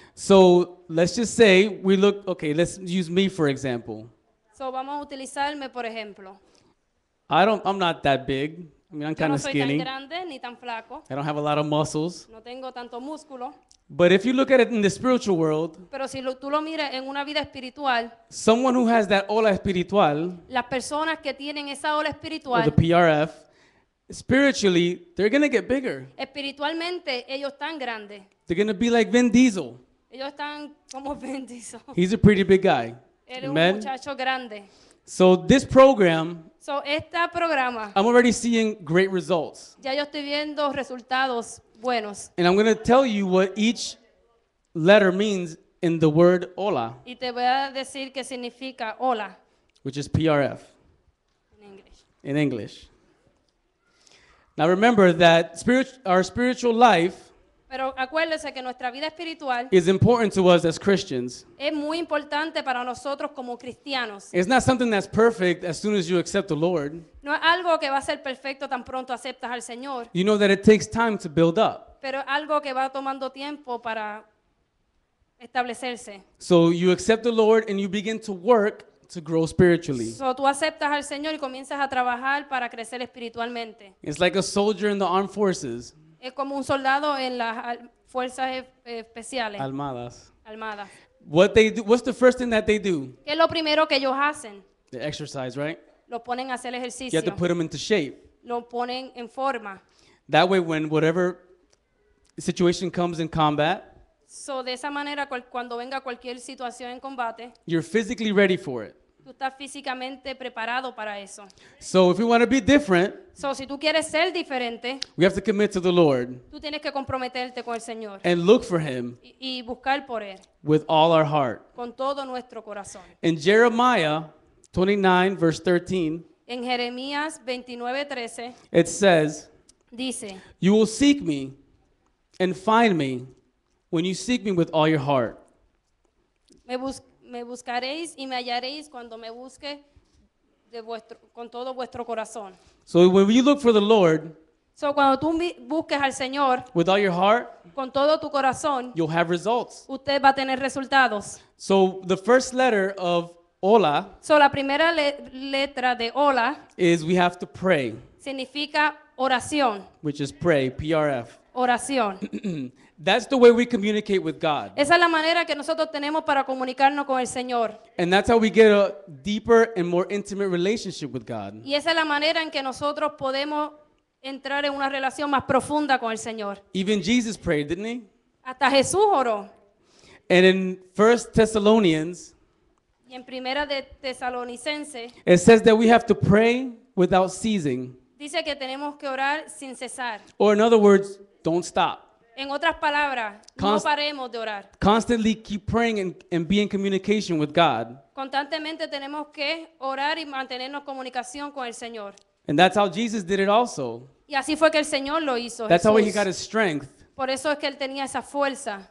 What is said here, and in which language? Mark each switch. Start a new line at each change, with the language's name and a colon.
English: So let's just say we look, okay, let's use me for example.
Spanish: So vamos a utilizarme por ejemplo.
English: I'm not that big. I mean, I'm kind of skinny.
Spanish: Tan grande, ni tan flaco.
English: I don't have a lot of muscles.
Spanish: No tengo tanto músculo.
English: But if you look at it in the spiritual world,
Spanish: pero si tú lo miras en una vida espiritual,
English: someone who has that
Spanish: ola espiritual, las personas que tienen esa ola espiritual,
English: or the PRF, spiritually, they're going to get bigger.
Spanish: Espiritualmente, ellos están grandes.
English: They're going to be like Vin Diesel.
Spanish: Ellos están como Vin Diesel.
English: He's a pretty big guy.
Spanish: Amen? Un muchacho grande.
English: So this program,
Spanish: so este programa,
English: I'm already seeing great results.
Spanish: Ya yo estoy viendo resultados buenos.
English: And I'm going to tell you what each letter means in the word hola.
Spanish: Y te voy a decir qué significa hola.
English: Which is PRF. In English. In English. Now remember that our spiritual life,
Spanish: pero acuérdese que nuestra vida espiritual,
English: is important to us as Christians.
Spanish: Es muy importante para nosotros como cristianos.
English: It's not something that's perfect as soon as you accept the Lord.
Spanish: No es algo que va a ser perfecto tan pronto aceptas al Señor.
English: You know that it takes time to build up.
Spanish: Pero algo que va tomando tiempo para establecerse.
English: So you accept the Lord and you begin to work to grow spiritually.
Spanish: So tú aceptas al Señor y comienzas a trabajar para crecer espiritualmente.
English: It's like a soldier in the armed forces.
Spanish: Es como un soldado en las fuerzas especiales. Almadas. Almadas.
English: What's the first thing that they do?
Spanish: ¿Qué es lo primero que ellos hacen?
English: They exercise, right?
Spanish: Lo ponen a hacer ejercicio.
English: You have to put them into shape.
Spanish: Lo ponen en forma.
English: That way, when whatever situation comes in combat,
Spanish: so de esa manera, cuando venga cualquier situación en combate,
English: you're physically ready for it.
Spanish: Tú estás físicamente preparado para eso.
English: So if we want to be different,
Spanish: so si tú quieres ser diferente,
English: we have to commit to the Lord.
Spanish: Tú tienes que comprometerte con el Señor.
English: And look for him.
Spanish: Y buscar por él.
English: With all our heart.
Spanish: Con todo nuestro corazón.
English: In Jeremiah 29 verse 13.
Spanish: En Jeremías 29:13.
English: It says,
Spanish: dice,
English: you will seek me and find me when you seek me with all your heart.
Spanish: Me buscaréis y me hallaréis cuando me busque con todo vuestro corazón.
English: So when you look for the Lord,
Spanish: so cuando tú busques al Señor,
English: with all your heart,
Spanish: con todo tu corazón,
English: you'll have results.
Spanish: Usted va a tener resultados.
English: So the first letter of hola,
Spanish: so la primera letra de hola,
English: is we have to pray.
Spanish: Significa oración.
English: Which is pray, PRF.
Spanish: Oración.
English: That's the way we communicate with God.
Spanish: Esa es la manera que nosotros tenemos para comunicarnos con el Señor.
English: And that's how we get a deeper and more intimate relationship with God.
Spanish: Y esa es la manera en que nosotros podemos entrar en una relación más profunda con el Señor.
English: Even Jesus prayed, didn't he?
Spanish: Hasta Jesús oró.
English: And in 1 Thessalonians,
Spanish: y en Primera de Tesalonicense,
English: it says that we have to pray without ceasing.
Spanish: Dice que tenemos que orar sin cesar.
English: Or in other words, don't stop.
Spanish: En otras palabras, no paremos de orar.
English: Constantly keep praying and be in communication with God.
Spanish: Constantemente tenemos que orar y mantenernos comunicación con el Señor.
English: And that's how Jesus did it also.
Spanish: Y así fue que el Señor lo hizo.
English: That's
Spanish: Jesús.
English: How he got his strength.
Spanish: Por eso es que él tenía esa fuerza.